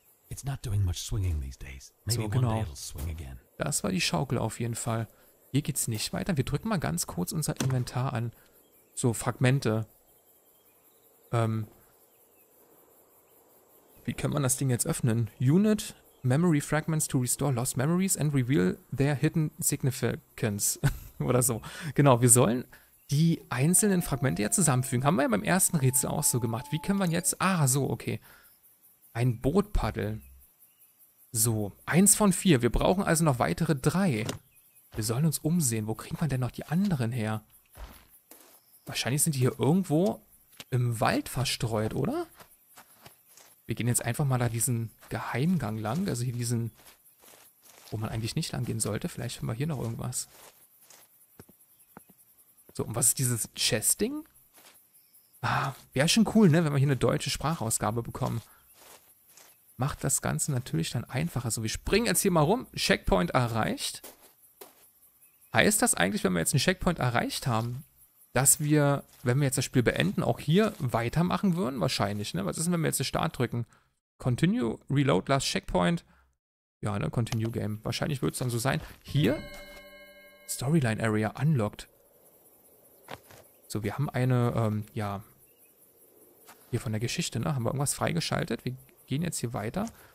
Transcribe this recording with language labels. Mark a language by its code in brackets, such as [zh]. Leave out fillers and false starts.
[en] It's not doing much swinging these days. Maybe [de] so, genau. [en] One day it'll swing again. [de] Das war die Schaukel auf jeden Fall. Hier geht's nicht weiter. Wir drücken mal ganz kurz unser Inventar an. So, Fragmente. Wie kann man das Ding jetzt öffnen? [en] Unit Memory Fragments to restore lost memories and reveal their hidden significance. [de] Oder so. Genau, wir sollen die einzelnen Fragmente ja zusammenfügen. Haben wir ja beim ersten Rätsel auch so gemacht. Wie können wir jetzt... Ah, so, okay. Ein Boot paddeln. So, 1 von 4. Wir brauchen also noch weitere 3. Wir sollen uns umsehen. Wo kriegt man denn noch die anderen her? Wahrscheinlich sind die hier irgendwo im Wald verstreut, oder? Wir gehen jetzt einfach mal da diesen Geheimgang lang. Also hier diesen, wo man eigentlich nicht lang gehen sollte. Vielleicht finden wir hier noch irgendwas. So, und was ist dieses Chess-Ding? Ah, wäre schon cool, ne? Wenn wir hier eine deutsche Sprachausgabe bekommen. Macht das Ganze natürlich dann einfacher. So, wir springen jetzt hier mal rum. Checkpoint erreicht. Heißt das eigentlich, wenn wir jetzt einen Checkpoint erreicht haben, dass wir, wenn wir jetzt das Spiel beenden, auch hier weitermachen würden? Wahrscheinlich, ne? Was ist denn, wenn wir jetzt den Start drücken? [en] Continue, reload, last checkpoint. [de] Ja, ne? [en] Continue game. [de] Wahrscheinlich wird es dann so sein. Hier? [en] Storyline Area unlocked. [de] So, wir haben eine, ja, hier von der Geschichte, ne? Haben wir irgendwas freigeschaltet? Wir gehen jetzt hier weiter.